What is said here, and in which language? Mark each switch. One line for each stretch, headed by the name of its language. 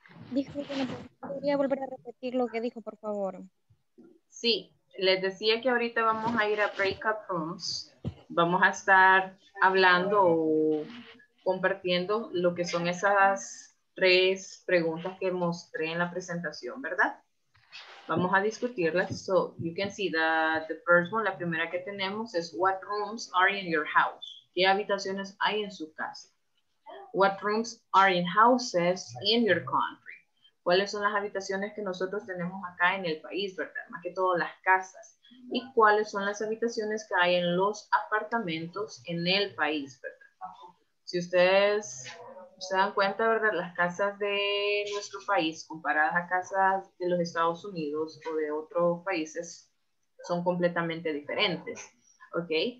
Spanish: Disculpen, ¿podría volver a repetir lo que dijo, por favor? Sí, les decía que ahorita vamos a ir a breakout rooms. Vamos a estar hablando o compartiendo lo que son esas tres preguntas que mostré en la presentación, ¿verdad? Vamos a discutirlas.
English: So you can see that the first one,
Spanish: la primera que tenemos es
English: what rooms are in your house?
Spanish: ¿Qué habitaciones hay en su casa?
English: What rooms are in houses in your country?
Spanish: ¿Cuáles son las habitaciones que nosotros tenemos acá en el país, verdad? Más que todo las casas. ¿Y cuáles son las habitaciones que hay en los apartamentos en el país, verdad? Si ustedes se dan cuenta, verdad, las casas de nuestro país comparadas a casas de los Estados Unidos o de otros países son completamente diferentes, ¿ok?